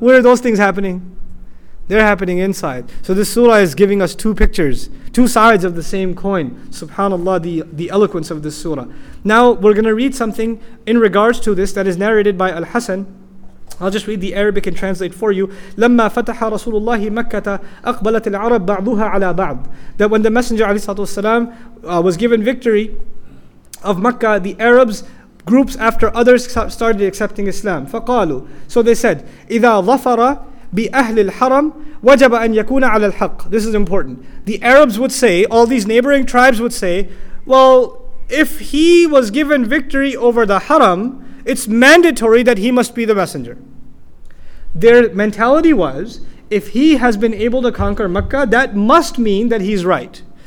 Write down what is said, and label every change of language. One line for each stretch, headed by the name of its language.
English: Where are those things happening? They're happening inside. So this surah is giving us two pictures, two sides of the same coin. SubhanAllah, the eloquence of this surah. Now we're going to read something in regards to this that is narrated by Al-Hasan. I'll just read the Arabic and translate for you.
Arabic: لما فتح رسول الله مكة أقبلت العرب بعضها على بعض.
English: That when the Messenger
Arabic: عليه الصلاة والسلام
English: was given victory of Mecca, the Arabs, groups after others, started accepting Islam.
Arabic: فقالوا.
English: So they said,
Arabic: إذا ظفر بأهل الحرم وجب أن يكون على الحق.
English: This is important. The Arabs would say, all these neighboring tribes would say, well, if he was given victory over the Haram, it's mandatory that he must be the messenger. Their mentality was, if he has been able to conquer Mecca, that must mean that he's right.